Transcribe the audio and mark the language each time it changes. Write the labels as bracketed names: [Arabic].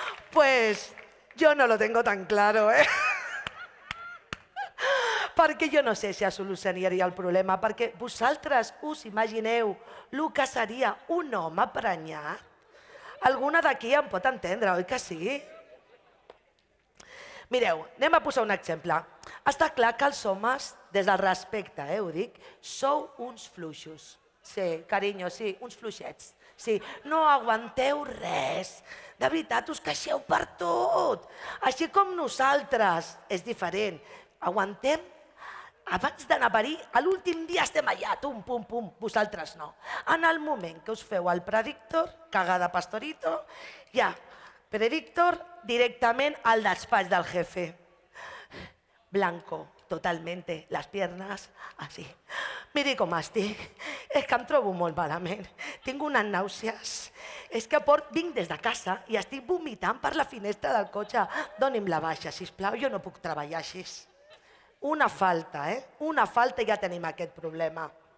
[Spanish] Pues yo no lo tengo tan claro, ¿eh? [Catalan] Perquè jo no sé si solucionaria el problema, perquè vosaltres us imagineu el que seria un home emprenyat? Alguna d'aquí em pot entendre, oi que sí? Mireu, anem a posar un exemple. Està clar que els homes, des del respecte, ho dic, sou uns fluixos. Sí, carinyo, sí, uns fluixets. Sí, no aguanteu res. De veritat, us queixeu per tot. Així com nosaltres, és diferent. Aguantem abans d'anar a parir, a l'últim dia estem allà, tum, pum, pum, vosaltres no. En el moment que us feu el predictor, [Spanish] cagada pastorito, [Catalan] ja, predictor, directament al despatx del jefe. [Spanish] Blanco, totalmente, les piernas, así. [Catalan] Miri com estic, és que em trobo molt malament. Tinc unes nàusees, és que vinc des de casa i estic vomitant per la finestra del cotxe. Doni'm la baixa, sisplau, jo no puc treballar així. Una falta, eh? Una falta i ja tenim aquest problema.